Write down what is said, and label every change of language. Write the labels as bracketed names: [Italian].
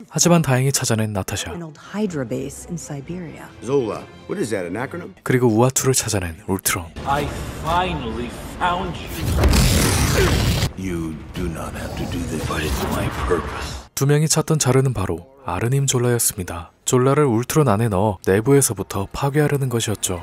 [Korean] 하지만 다행히 찾아낸 나타샤. [English] An old Hydra base in Siberia. Zola, what is that, an acronym? [Korean] 그리고 우아투를 찾아낸 울트론. [English] I finally found you. You do not have to do this, but it's my purpose. [Korean] 두 명이 찾던 자료는 바로 아르님 졸라였습니다. 졸라를 울트론 안에 넣어 내부에서부터 파괴하려는 것이었죠.